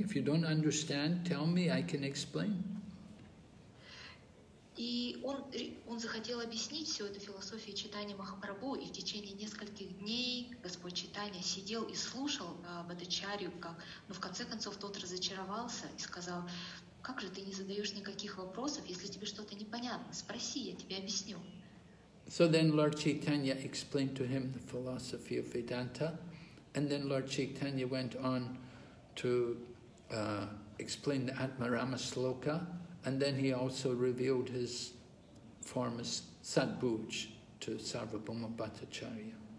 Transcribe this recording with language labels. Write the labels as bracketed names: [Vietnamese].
[English] If you don't understand, tell me, I can explain. [Russian] И он захотел объяснить всю эту философию Чайтанья Махапрабху, и в течение нескольких дней Господь Чайтанья сидел и слушал Бхаттачарью, но в конце концов тот разочаровался и сказал: «Как же ты не задаешь никаких вопросов, если тебе что-то непонятно? Спроси, я тебе объясню». [English] So then Lord Chaitanya explained to him the philosophy of Vedanta, and then Lord Chaitanya went on to explain the Atmarama Sloka. And then he also revealed his form as Sadbhuj to Sarvabhauma Bhattacharya.